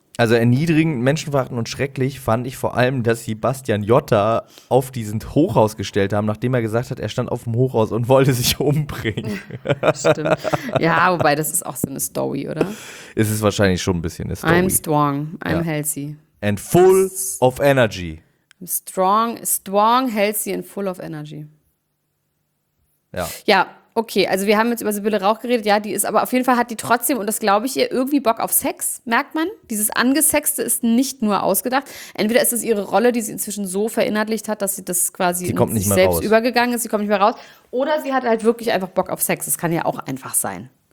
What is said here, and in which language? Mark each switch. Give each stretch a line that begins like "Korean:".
German: Also erniedrigend, menschenverachtend und schrecklich fand ich vor allem, dass sie Bastian Jotta auf diesen Hochhaus gestellt haben, nachdem er gesagt hat, er stand auf dem Hochhaus und wollte sich umbringen. Stimmt. Ja, wobei das ist auch so eine Story, oder? Es ist wahrscheinlich schon ein bisschen eine Story.
English: I'm strong, I'm healthy. And full of energy. Strong, healthy and full of energy.
German: Ja. Ja. Okay, also wir haben jetzt über Sibylle Rauch geredet. Ja, die ist, aber auf jeden Fall hat die trotzdem, und das glaube ich ihr, irgendwie Bock auf Sex, merkt man. Dieses Angesexte ist nicht nur ausgedacht. Entweder ist es ihre Rolle, die sie inzwischen so verinnerlicht hat, dass sie das quasi sich selbst übergegangen ist. Sie kommt nicht mehr raus. Oder sie hat halt wirklich einfach Bock auf Sex. Das kann ja auch einfach sein.